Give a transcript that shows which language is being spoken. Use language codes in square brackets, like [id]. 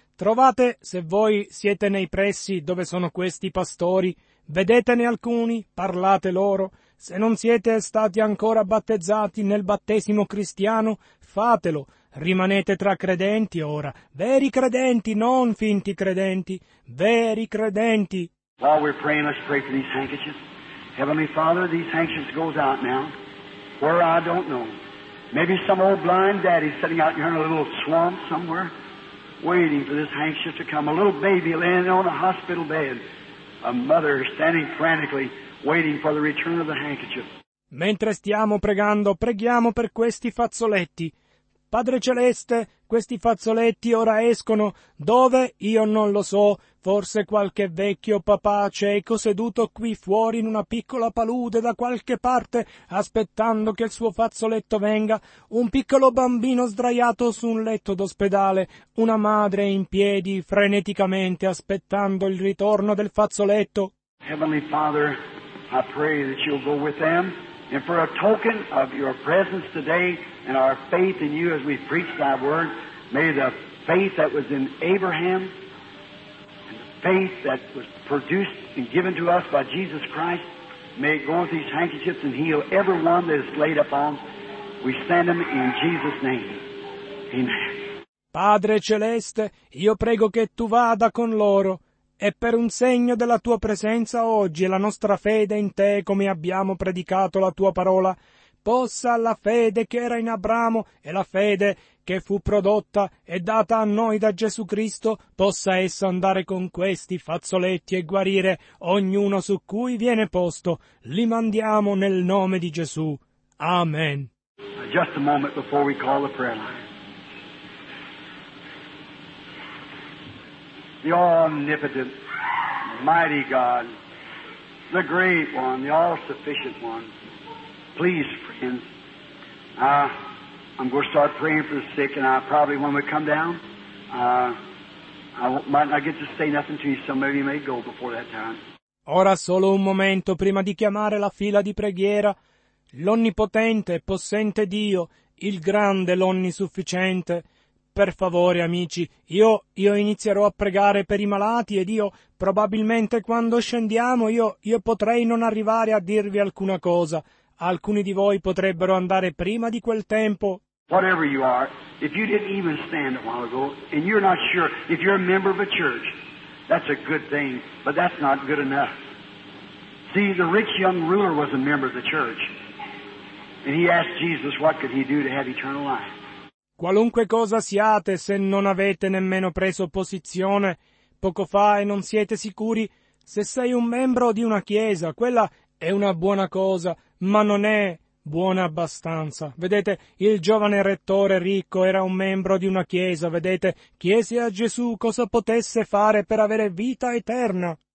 [it] Trovate, se voi siete nei pressi dove sono questi pastori, vedetene alcuni, parlate loro. Se non siete stati ancora battezzati nel battesimo cristiano, fatelo. Rimanete tra credenti ora, veri credenti, non finti credenti, veri credenti. [en] While we're praying, let's pray for these handkerchiefs. Heavenly Father, these handkerchiefs goes out now, where I don't know. Maybe some old blind daddy sitting out here in a little swamp somewhere, waiting for this handkerchief to come. A little baby laying on a hospital bed. A mother standing frantically waiting for the return of the handkerchief. [it] Mentre stiamo pregando, preghiamo per questi fazzoletti. Padre Celeste, questi fazzoletti ora escono. Dove? Io non lo so. Forse qualche vecchio papà cieco seduto qui fuori in una piccola palude da qualche parte, aspettando che il suo fazzoletto venga. Un piccolo bambino sdraiato su un letto d'ospedale. Una madre in piedi, freneticamente, aspettando il ritorno del fazzoletto. [en] Heavenly Father, I pray that you'll go with them. And for a token of your presence today and our faith in you as we preach thy word, may the faith that was in Abraham and the faith that was produced and given to us by Jesus Christ, may it go with these handkerchiefs and heal everyone that is laid upon. We send them in Jesus' name. Amen. [it] Padre Celeste, io prego che tu vada con loro. E per un segno della tua presenza oggi e la nostra fede in te, come abbiamo predicato la tua parola, possa la fede che era in Abramo e la fede che fu prodotta e data a noi da Gesù Cristo, possa essa andare con questi fazzoletti e guarire ognuno su cui viene posto. Li mandiamo nel nome di Gesù. Amen. [en] Just a moment before we call the prayer line. The omnipotent, mighty God, the great one, the all-sufficient one, please, friends, I'm going to start praying for the sick, and I probably, when we come down, I might not get to say nothing to you. Some of you may go before that time. [it] Ora solo un momento prima di chiamare la fila di preghiera. L'onnipotente, possente Dio, il grande, l'onnisufficiente, per favore, amici, io inizierò a pregare per i malati ed io, probabilmente quando scendiamo, io potrei non arrivare a dirvi alcuna cosa. Alcuni di voi potrebbero andare prima di quel tempo. [en] Whatever you are, if you didn't even stand a while ago, and you're not sure, if you're a member of a church, that's a good thing, but that's not good enough. See, the rich young ruler was a member of the church, and he asked Jesus what could he do to have eternal life. [it] Qualunque cosa siate, se non avete nemmeno preso posizione poco fa e non siete sicuri, se sei un membro di una chiesa, quella è una buona cosa, ma non è buona abbastanza. Vedete, il giovane rettore ricco era un membro di una chiesa, vedete, chiese a Gesù cosa potesse fare per avere vita eterna.